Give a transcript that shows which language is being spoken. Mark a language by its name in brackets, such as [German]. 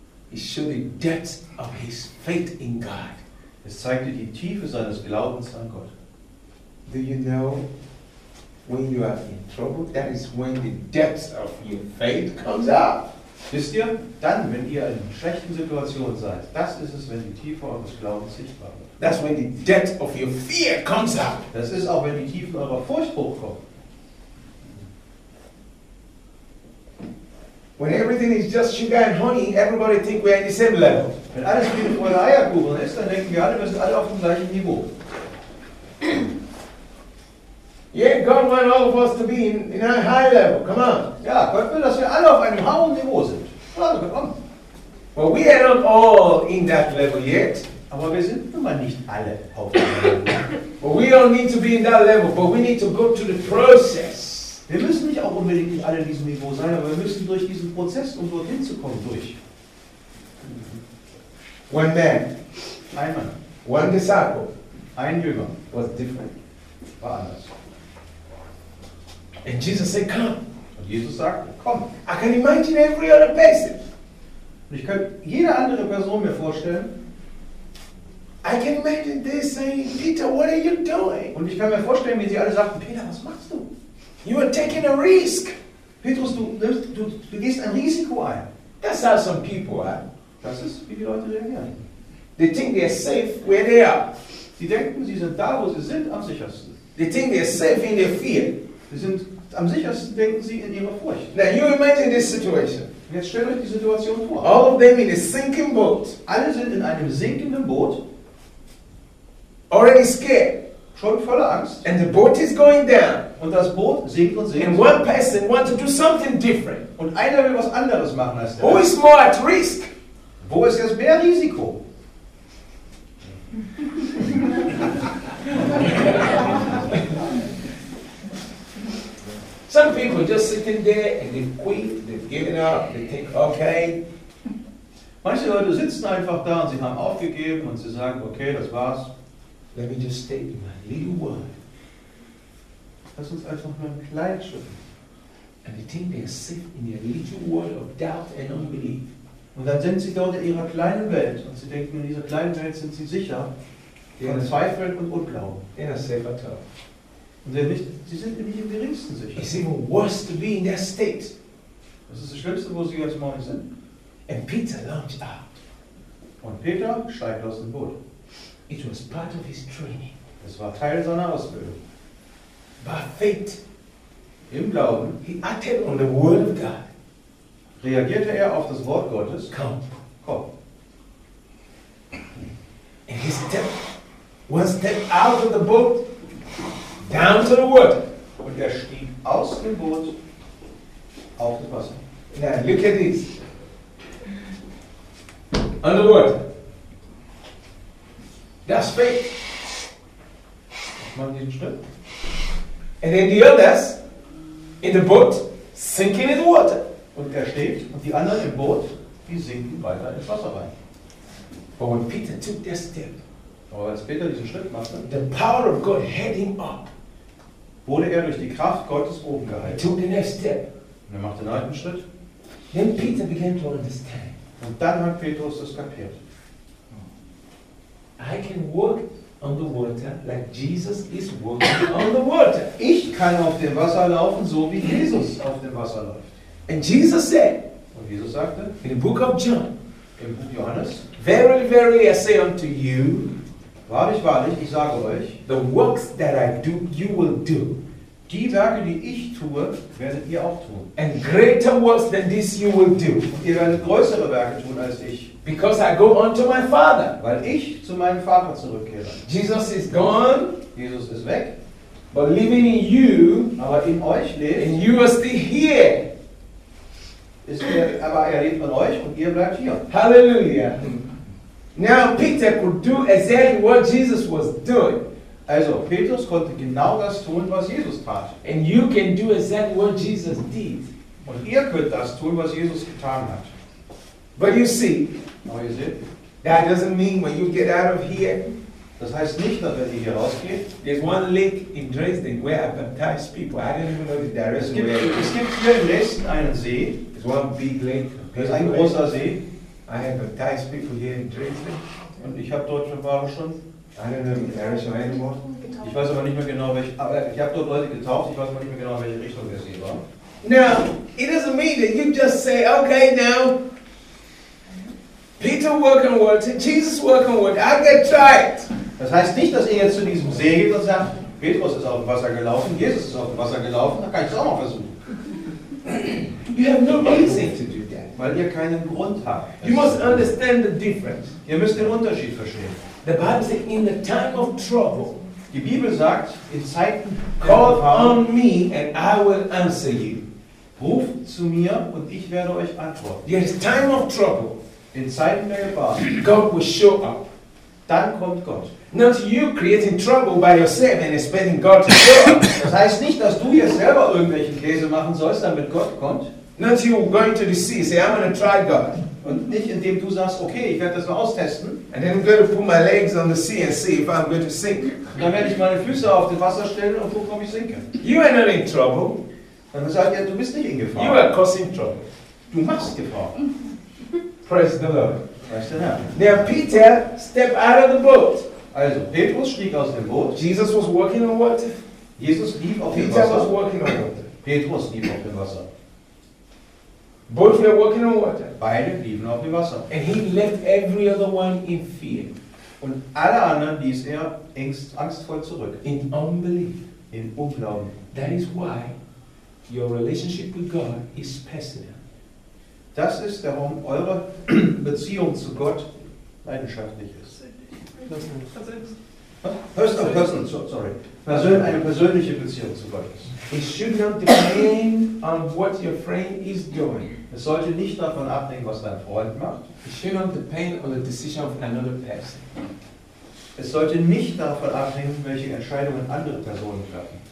[English] He showed the depth of his faith in God. [German] Es zeigte die Tiefe seines Glaubens an Gott. [English] Do you know, when you are in trouble, that is when the depth of your faith comes out. [German] Wisst ihr, dann, wenn ihr in schlechten Situationen seid, das ist es, wenn die Tiefe eures Glaubens sichtbar wird. [English] That's when the depth of your fear comes up. [German] Das ist auch, wenn die Tiefe eurer Furcht hochkommt. [English] When everything is just sugar and honey, everybody think we are in the same level. [German] Wenn alles wie eine Eierkuchen ist, dann denken wir alle, wir sind alle auf dem gleichen Niveau. [English] Yeah, God wants all of us to be in a high level. Come on. [German] Ja, Gott will, dass wir alle auf einem hohen Niveau sind. Also, komm. [English] But we are not all in that level yet. [German] Aber wir sind nun mal nicht alle auf dem Niveau. [English] We don't need to be in that level, but we need to go through the process. [German] Wir müssen nicht auch unbedingt nicht alle in diesem Niveau sein, aber wir müssen durch diesen Prozess, um dorthin zu kommen, durch. [English] One man. [German] Ein Mann. [English] One disciple. [German] Ein Jünger. [English] Was different. [German] War anders. [English] And Jesus said, come. [German] Und Jesus sagt, komm. [English] I can imagine every other person. [German] Und ich kann jede andere Person mir vorstellen. [English] I can imagine they saying, Peter, what are you doing? [German] Und ich kann mir vorstellen, wie sie alle sagten, Peter, was machst du? [English] You are taking a risk. [German] Petrus, du gehst ein Risiko ein. [English] That's how some people are. [German] Das ist, wie die Leute reagieren. [English] They think they are safe where they are. [German] Sie denken, sie sind da, wo sie sind, am sichersten. [English] They think they are safe in their fear. [German] Sie sind am sichersten, denken sie, in ihrer Furcht. [English] Now you imagine this situation. [German] Jetzt stellt euch die Situation vor. [English] All of them in a sinking boat. [German] Alle sind in einem sinkenden Boot. [English] Already scared. [German] Schon voller Angst. [English] And the boat is going down. [German] Und das Boot sinkt und sinkt. [English] And one person wants to do something different. [German] Und einer will was anderes machen als der. [English] Who is more at risk? [German] Wo ist jetzt mehr Risiko? [English] Some people just sitting there and they quit, they've given up, they think, okay. [German] Manche Leute sitzen einfach da und sie haben aufgegeben und sie sagen, okay, das war's. [English] Let me just stay in my little world. [German] Lass uns einfach nur ein Kleid schütteln. [English] And they think they sit in their little world of doubt and unbelief. [German] Und dann sind sie dort in ihrer kleinen Welt und sie denken, in dieser kleinen Welt sind sie sicher von Zweifeln und Unglauben. [English] In a safer town. [German] Und sie sind nämlich im geringsten sicher. [English] It's even worse to be in that state. [German] Das ist das Schlimmste, wo sie jetzt morgen sind. [English] And Peter launched out. [German] Und Peter steigt aus dem Boot. [English] It was part of his training. [German] Es war Teil seiner Ausbildung. [English] By faith. [German] Im Glauben. [English] He acted on the word of God. [German] Reagierte er auf das Wort Gottes. [English] Come. [German] Komm. [English] And he stepped, one step out of the boat, down to the water. [German] Und er stieg aus dem Boot auf das Wasser. [English] Now look at this. Under the water. That's faith. [German] Ich mache diesen Schritt. [English] And then the others in the boat sinking in the water. [German] Und er steht und die anderen im Boot, die sinken weiter ins Wasser rein. [English] But when Peter took that step, [German] aber als Peter diesen Schritt machte, [English] the power of God held him up. [German] Wurde er durch die Kraft Gottes oben gehalten. [English] He took the next step. [German] Und er machte den neunten Schritt. [English] Then Peter began to understand. [German] Und dann hat Petrus das kapiert. [English] I can walk on the water like Jesus is walking on the water. [German] Ich kann auf dem Wasser laufen, so wie Jesus auf dem Wasser läuft. [English] And Jesus said, [German] und Jesus sagte, [English] in the book of John, [German] im Buch Johannes, [English] verily, verily, I say unto you, [German] wahrlich, wahrlich, ich sage euch, [English] the works that I do, you will do. [German] Die Werke, die ich tue, werdet ihr auch tun. [English] And greater works than this you will do. [German] Und ihr werdet größere Werke tun als ich. [English] Because I go unto my Father. [German] Weil ich zu meinem Vater zurückkehre. [English] Jesus is gone. [German] Jesus ist weg. [English] But living in you. [German] Aber in euch lebt. [English] And you are still here. [German] Aber er lebt in euch und ihr bleibt hier. Halleluja. [English] Now Peter could do exactly what Jesus was doing. [German] Also, Petrus konnte genau das tun, was Jesus tat. [English] And you can do exactly what Jesus did. [German] Und ihr könnt das tun, was Jesus getan hat. [English] But you see, [German] aber ihr seht, [English] that doesn't mean when you get out of here, [German] das heißt nicht, dass wenn ihr hier rausgeht, [English] there's one lake in Dresden where I baptized people. I didn't even know the direction. [German] Es gibt hier in Dresden einen See. [English] It's one big lake. [German] Es ist ein großer See. [English] I have baptized people here in Dresden. [German] Und ich habe dort schon war schon. [English] I don't know the direction anymore. [German] Ich weiß aber nicht mehr genau, welche. Aber ich habe dort Leute getauft. Ich weiß aber nicht mehr genau, welche Richtung der See war. [English] Now, it doesn't mean that you just say, okay, now, Peter work on water, Jesus work on water, I'm gonna try it. [German] Das heißt nicht, dass ihr jetzt zu diesem See geht und sagt, Petrus ist auf dem Wasser gelaufen, Jesus ist auf dem Wasser gelaufen, dann kann ich es auch mal versuchen. [English] You have no reason to do that. [German] Weil ihr keinen Grund habt. [English] You must understand the difference. [German] Ihr müsst den Unterschied verstehen. [English] The Bible says, in the time of trouble, [German] die Bibel sagt, in Zeiten, [English] call on me and I will answer you. [German] Ruf zu mir und ich werde euch antworten. [English] There is time of trouble. [German] In Zeiten der Gefahr, [English] God will show up. [German] Dann kommt Gott. [English] Not you creating trouble by yourself and expecting God to show up. [German] Das heißt nicht, dass du hier selber irgendwelchen Käse machen sollst, damit Gott kommt. [English] Not you going to the sea, say I'm going to try God. [German] Und nicht indem du sagst, okay, ich werde das mal austesten. [English] And then I'm going to put my legs on the sea and see if I'm going to sink. [German] Und dann werde ich meine Füße auf dem Wasser stellen und gucken, ob ich sinke. [English] You are not in trouble. [German] Dann sagt er, du bist nicht in Gefahr. [English] You are causing trouble. [German] Du machst Gefahr. [English] Praise the Lord. Praise the Lord. Now Peter stepped out of the boat. [German] Also Petrus stieg aus dem Boot. [English] Jesus was walking on water. [German] Jesus lief auf dem Wasser. [English] Peter was walking on water. [German] Petrus lief auf dem Wasser. [English] Both were walking on water. [German] Beide liefen auf dem Wasser. [English] And he left every other one in fear. [German] Und alle anderen ließ er angstvoll zurück. [English] In unbelief. [German] In Unglauben. [English] That is why your relationship with God is personal. [German] Das ist, warum eure Beziehung zu Gott leidenschaftlich ist. [English] Personal, personal, so, sorry. [German] Persön, eine persönliche Beziehung zu Gott ist. [English] It should not depend on what your friend is doing. [German] Es sollte nicht davon abhängen, was dein Freund macht. [English] It should not depend on the decision of another person. [German] Es sollte nicht davon abhängen, welche Entscheidungen andere Personen treffen.